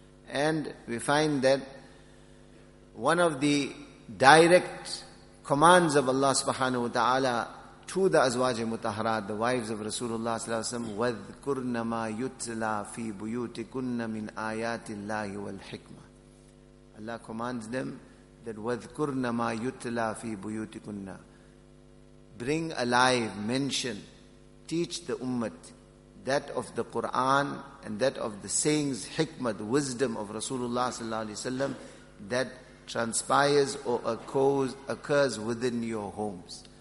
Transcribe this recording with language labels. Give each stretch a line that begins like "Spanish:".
English: And we find that one of the direct commands of Allah Subhanahu Wa Ta'ala to the Azwaj Mutahrat, the wives of Rasulullah sallallahu alayhi wa sallam,
Arabic: وَذْكُرْنَ مَا يُتْلَى فِي بُيُوتِكُنَّ مِنْ آيَاتِ اللَّهِ وَالْحِكْمَةِ.
English: Allah commands them that
Arabic: وَذْكُرْنَ مَا يُتْلَى فِي بُيُوتِكُنَّ.
English: Bring alive, mention, teach the ummah that of the Quran and that of the sayings, hikmah, the wisdom of Rasulullah sallallahu alayhi wa sallam that transpires or occurs within your homes.